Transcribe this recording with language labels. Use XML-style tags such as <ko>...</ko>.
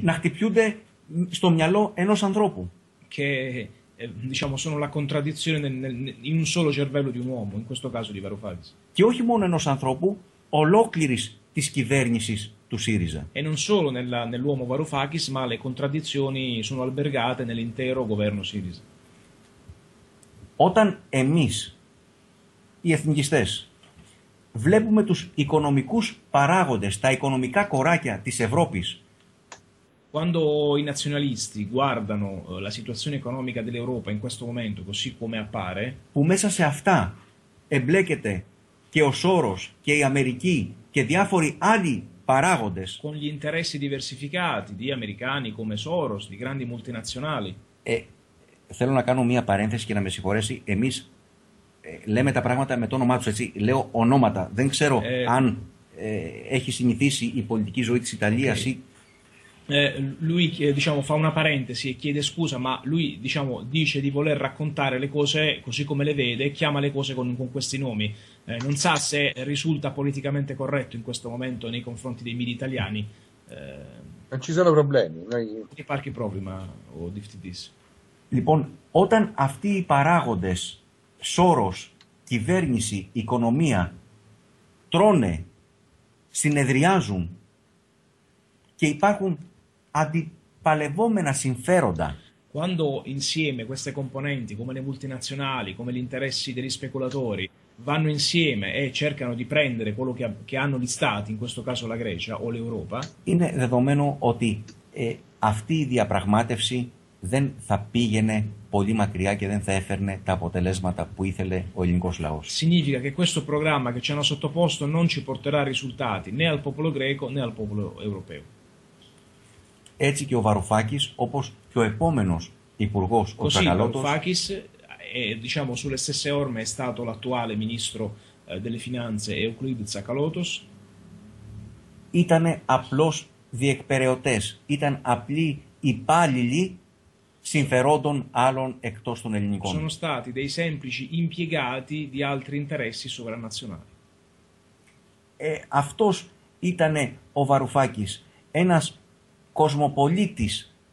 <el>Να χτυπιούνται στο μυαλό ενός ανθρώπου.</el> <it>Che diciamo sono la contraddizione in un solo cervello di un uomo, in questo caso di Varoufakis.</it> <el>Και όχι μόνο ενός ανθρώπου, ολόκληρης της κυβέρνησης του ΣΥΡΙΖΑ.</el> <it>E non solo nell'uomo Varoufakis, ma le contraddizioni sono albergate nell'intero governo ΣΥΡΙΖΑ.</it> <el>Όταν εμείς, οι εθνικιστές, βλέπουμε τους οικονομικούς παράγοντες, τα οικονομικά κοράκια της Ευρώπης.</el> <it>Quando i nazionalisti guardano la situazione economica dell'Europa in questo momento, così come appare,</it> <el>που μέσα σε αυτά εμπλέκεται και ο Σόρος και η Αμερική και διάφοροι άλλοι παράγοντες,</el> <it>con gli interessi diversificati di americani come Soros, di grandi multinazionali.</it> <el>Θέλω να κάνω μία παρένθεση και να με συγχωρέσει. Εμείς λέμε τα πράγματα με το όνομά τους, έτσι. Λέω ονόματα. Δεν ξέρω αν έχει συνηθίσει η πολιτική ζωή της Ιταλίας.</el> <en>Okay.</en> <it>Lui diciamo fa una parentesi e chiede scusa, ma lui diciamo dice di voler raccontare le cose così come le vede e chiama le cose con questi nomi. Non sa se risulta politicamente corretto in questo momento nei confronti dei media italiani. Non ci sono problemi. Noi... Che parchi problema o diftidis?</it> <el>Λοιπόν, όταν αυτοί οι παράγοντες, Σόρος, κυβέρνηση, οικονομία, τρώνε, συνεδριάζουν και υπάρχουν αντιπαλευόμενα συμφέροντα.</el> <it>Quando insieme queste componenti, come le multinazionali, come gli interessi degli speculatori, vanno insieme e cercano di prendere quello che hanno gli stati, in questo caso la Grecia o l'Europa,</it> <el>είναι δεδομένο ότι αυτή η διαπραγμάτευση δεν θα πήγαινε πολύ μακριά και δεν θα έφερνε τα αποτελέσματα που ήθελε ο ελληνικός λαός.</el> <it>Significa che questo programma che ci hanno sottoposto non ci porterà risultati né al popolo greco né al popolo europeo.</it> <el>Έτσι και ο Βαρουφάκης, όπως και ο επόμενος υπουργός, ο Τσακαλώτος.</el> <it>Βαρουφάκης, diciamo sulle stesse orme è stato l'attuale ministro delle finanze Euclid Tsakalotos.</it> <el>Ήτανε απλώς διεκπεραιωτές, ήταν απλοί υπάλληλοι συμφερόντων άλλων εκτός των ελληνικών.</el> <it>Sono stati dei semplici impiegati di altri interessi sovranazionali.</it> <el>Αυτός ήτανε ο Βαρουφάκης, ένας κοσμοπολίτης.</el>